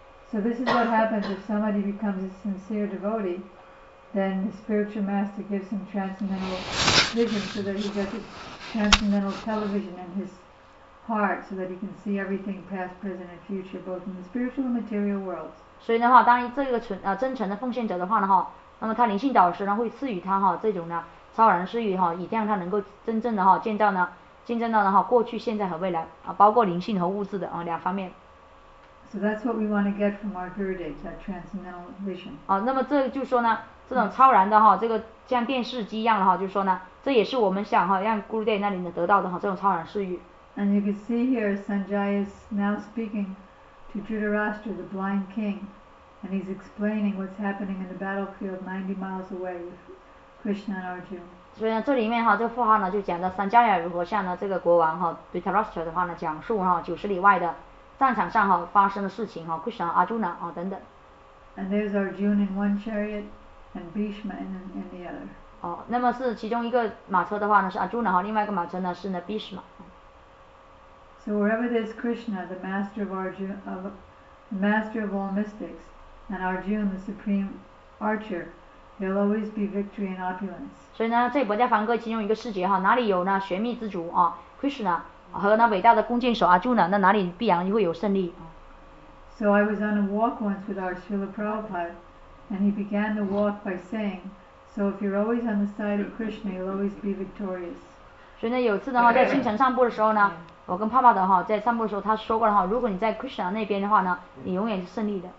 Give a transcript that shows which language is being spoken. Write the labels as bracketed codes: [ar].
[en] So this is what happens if somebody becomes a sincere devotee, then the spiritual master gives him transcendental vision so that he gets a transcendental television in his. Heart, so that he can see everything past, present, and future, both in the spiritual and material worlds. [zh] 所以呢哈，当这个纯真诚的奉献者的话呢哈，那么他灵性导师呢会赐予他哈这种呢超然视野哈，以让他能够真正的哈见证到呢哈过去、现在和未来啊，包括灵性和物质的啊两方面。 [en] So that's what we want to get from our Gurudev, that transcendental vision. [zh] 啊，那么这就说呢，这种超然的哈，这个像电视机一样的哈，就说呢，这也是我们想哈让 Gurudev 那里能得到的哈这种超然视野。 [en] And you can see here, Sanjaya is now speaking to Dhritarashtra, the blind king, and he's explaining what's happening in the battlefield 90 miles away with Krishna and Arjuna. [zh] 所以呢，这里面哈，这个富豪呢就讲到 Sanjaya 如何向呢这个国王哈 Dhritarashtra 的话呢讲述哈90里外的战场上哈发生的事情哈 Krishna and Arjuna 啊等等。 [en] And there's Arjuna in one chariot and Bhishma in the other. [zh] 哦，那么是其中一个马车的话呢是 Arjuna 哈，另外一个马车呢是呢 Bhishma。 [en] So wherever there's Krishna, the master of Arjuna, the master of all mystics, and Arjuna, the supreme archer, there'll always be victory and opulence. [zh] 所以呢，这《博伽梵歌》其中一个世界哈，哪里有呢玄秘之主啊 ，Krishna 和那伟大的弓箭手 Arjuna， 那哪里必然就会有胜利。 [en] So I was on a walk once with our Srila Prabhupada, and he began the walk by saying, "So if you're always on the side of Krishna, you'll always be victorious." [zh] 所以呢，有次的话，在清晨散步的时候呢。我跟帕帕的哈在散步的时候，他说过了哈，如果你在 Krishna 那边的话呢，你永远是胜利的。